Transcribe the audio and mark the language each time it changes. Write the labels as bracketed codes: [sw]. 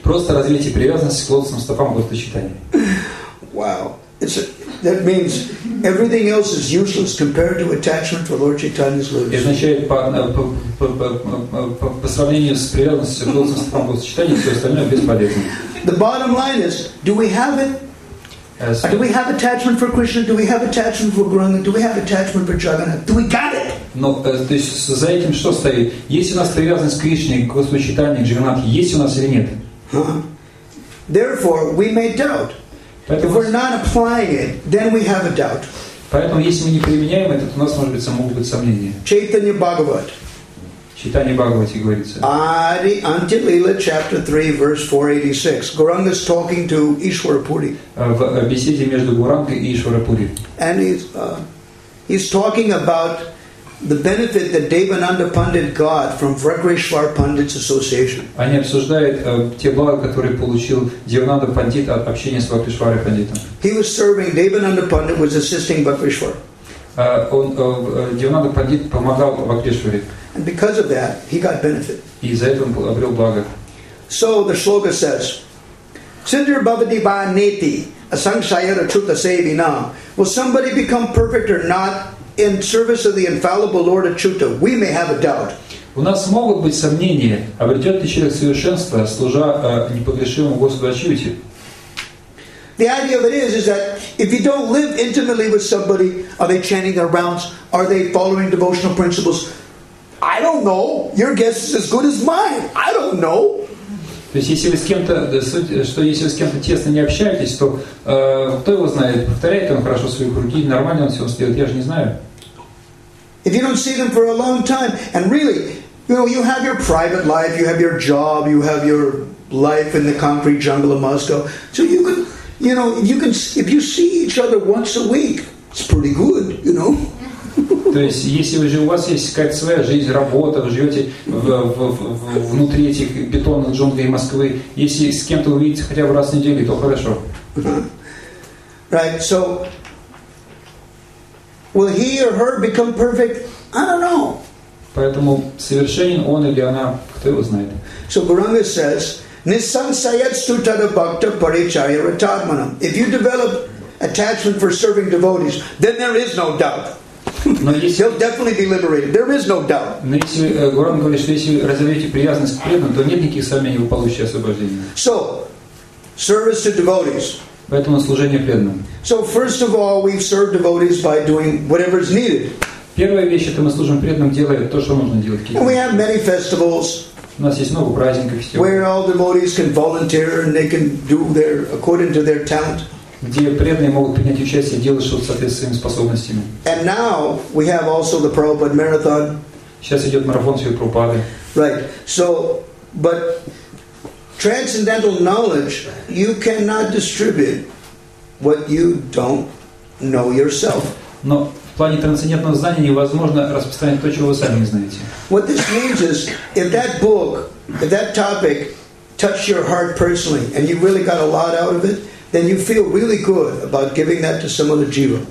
[ru] Просто развейте привязанность к лотосным стопам Господа Чайтаньи. [en] Wow. That means everything else is useless compared to attachment to Lord Chaitanya's lotus feet. [ru] Это означает по сравнению с привязанностью к лотосным стопам Господа Чайтаньи, все остальное бесполезно. [en] The bottom line is, do we have it? Do we have attachment for Krishna? Do we have attachment for Gauranga? Do we have attachment for Jagannath? Do we got it? [ru] Но то есть за этим что стоит? Есть у нас привязанность к Кришне, к Господу Чайтанье, к Джаганнатхе? Есть у нас или нет? [en] Therefore, we may doubt. Поэтому, if we're not applying it, then we have a doubt. [ru] Поэтому, если мы не применяем это, то у нас могут быть сомнения. Чайтанья Бхагават. Читание Бхагавати говорится. [en] Ади Антилила, chapter 3, verse 486. Гуранга is talking to Ишварапури. [ru] В беседе между Гурангой и Ишварапури. [en] And he's talking about the benefit that Devananda Pandit got from Vrakreshwar Pandit's association. [ru] Они обсуждают те блага, которые получил Девананда Пандит от общения с Вракрешварой Пандитом. [en] He was serving, Devananda Pandit was assisting Vrakreshwar. [ru] Девананда Пандит помогал Вракрешваре. [en] And because of that, he got benefit. [ru] И за это он обрел благо. [sa] So the shloka says, Sindra Bhavati Ba Neti Asangshayara Chuta Sevinam. [en] Will somebody become perfect or not in service of the infallible Lord Achyuta? We may have a doubt. [ru] У нас могут быть сомнения, обретет ли человек совершенство, служа непогрешимому Господу Ачьюте. [en] The idea of it is that if you don't live intimately with somebody, are they chanting their rounds? Are they following devotional principles? I don't know. Your guess is as good as mine. I don't know. [ru] То есть если вы с кем-то, что если вы с кем-то тесно не общаетесь, то кто его знает? Повторяет он хорошо свои круги, нормально он все сделает? Я же не знаю. [en] If you don't see them for a long time, and really, you know, you have your private life, you have your job, you have your life in the concrete jungle of Moscow, so you can, you know, if you see each other once a week, it's pretty good, you know. [ru] То есть, если уже у вас есть какая-то своя жизнь, работа, вы живете внутри этих бетонных джунглей Москвы, если с кем-то увидите хотя бы раз в неделю, то хорошо. [en] Right, so will he or her become perfect? I don't know. [ru] Поэтому совершенен он или она, кто его знает. [en] So Gauranga says, Nissan Sayat Sutada Bhakta Paricharya Ratatmanam. If you develop attachment for serving devotees, then there is no doubt. [ru] Но если, [en] he'll definitely be liberated. There is no doubt. [ru] Но если Гуранга говорит, что если разовьете привязанность к преданным, то нет никаких сомнений, вы получите освобождение. [en] So, service to devotees. [ru] Поэтому служение преданным. [en] So, first of all, we serve devotees by doing whatever is needed. [ru] Первая вещь, это мы служим преданным, делая то, что нужно делать. [en] We have many festivals. [ru] У нас есть много праздников. [en] Where all devotees can volunteer and they can do their according to their talent. [ru] Где преданные могут принять участие и делать что-то в соответствии с своими способностями. [en] And now we have also the Prabhupada marathon. [ru] Сейчас идет марафон Сри Прабхупады. [en] Right. So, but transcendental knowledge, you cannot distribute what you don't know yourself. [ru] Но в плане трансцендентного знания невозможно распространять то, чего вы сами не знаете. [en] What this means is, if that book, if that topic touched your heart personally, and you really got a lot out of it, then you feel really good about giving that to some other jiva.